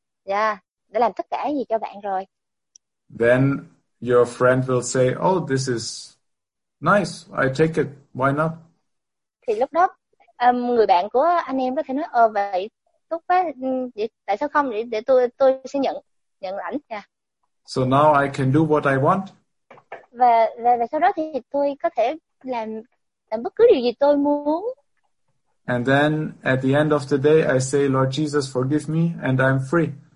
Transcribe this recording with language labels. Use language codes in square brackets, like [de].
[vi] Yeah, để làm tất cả gì cho bạn rồi. [en] Then your friend will say, "Oh, this is nice. I take it. Why not?" [vi] Thì lúc đó người bạn của anh em có thể nói, vậy tốt quá. Tại sao không? Để tôi sẽ nhận lãnh nha. [en] So now I can do what I want. [vi] Và sau đó thì tôi có thể làm bất cứ điều gì tôi muốn. [en] And then at the end of the day, I say, "Lord Jesus, forgive me, and I'm free."